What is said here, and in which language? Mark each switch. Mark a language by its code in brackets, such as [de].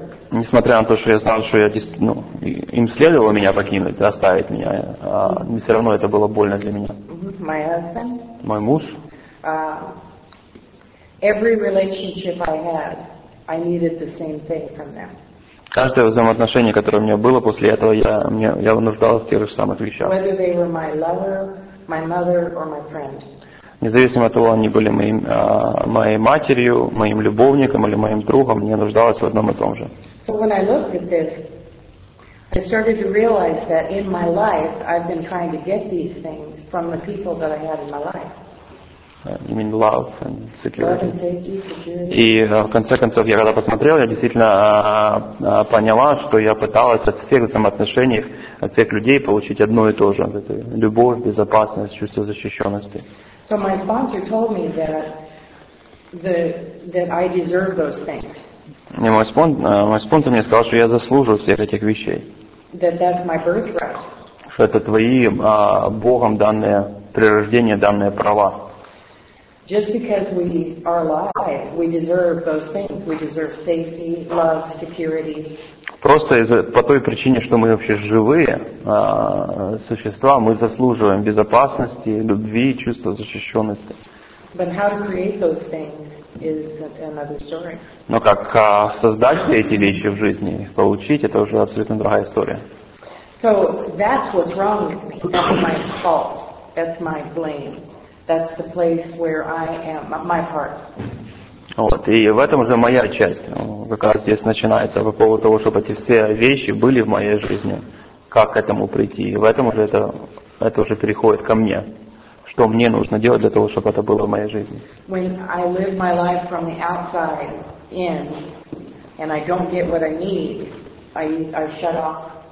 [ru] Несмотря на то, что я знал, что я, ну, им следовало меня покинуть, оставить меня, все равно это было больно для меня. [en] My husband. [ru] Мой муж. [en] Every relationship I had, I needed the same thing from them. [ru] Каждое взаимоотношение, которое у меня было после этого, я нуждался в тех же самых вещах. [en] Whether they were my lover, my mother, or my friend. [ru] Независимо от того, они были моей матерью, моим любовником или моим другом, мне нуждалось в одном и том же. [en] So when I looked at this, I started to realize that in my life I've been trying to get these things from the people that I had in my life. You mean love and security? Love and safety, security. [ru] И в конце концов, я когда посмотрел, я действительно поняла, что я пыталась от всех взаимоотношений, от всех людей получить одно и то же. Это любовь, безопасность, чувство защищенности. [en] So my sponsor told me that I deserve those things. [ru] Не, мой спонсор мне сказал, что я заслуживаю всех этих вещей. [en] That's my birthright. [ru] Что это твои Богом данные при рождении данные права. [en] Just because we are alive, we deserve those things. We deserve safety, love, security. [ru] Просто из-за по той причине, что мы вообще живые существа, мы заслуживаем безопасности, любви, чувства защищенности. [en] But how to create those things is another story. [ru] Но как создать все эти вещи в жизни, получить, это уже абсолютно другая история. [en] So that's what's wrong with me. That's my fault. That's my blame. That's the place where I am, my part. [ru] Вот, и в этом уже моя часть, как раз здесь начинается, по поводу того, чтобы эти все вещи были в моей жизни, как к этому прийти, и в этом уже это уже переходит ко мне, что мне нужно делать для того, чтобы это было в моей жизни. [en] When I live my life from the outside in, and I don't get what I need, I shut off.